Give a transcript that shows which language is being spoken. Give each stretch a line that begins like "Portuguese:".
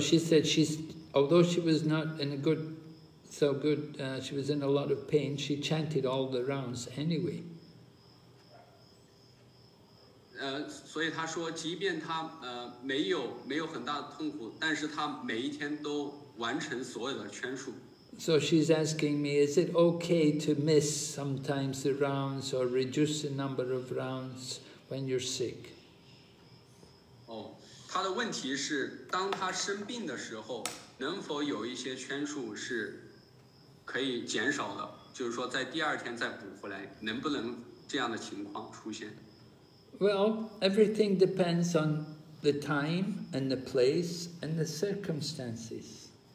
English: she said she's, although she was not in a good, so good, she was in a lot of pain, she chanted all the rounds anyway.
Chinese: 所以她说，即便她没有很大的痛苦，但是她每一天都完成所有的圈数。
English: So she's asking me, is it okay to miss sometimes the rounds or reduce the number of rounds when you're sick?
Chinese: Oh, 她的问题是，当她生病的时候，能否有一些圈数是可以减少的？就是说，在第二天再补回来，能不能这样的情况出现？
English: Well, everything depends on the time and the place and the circumstances.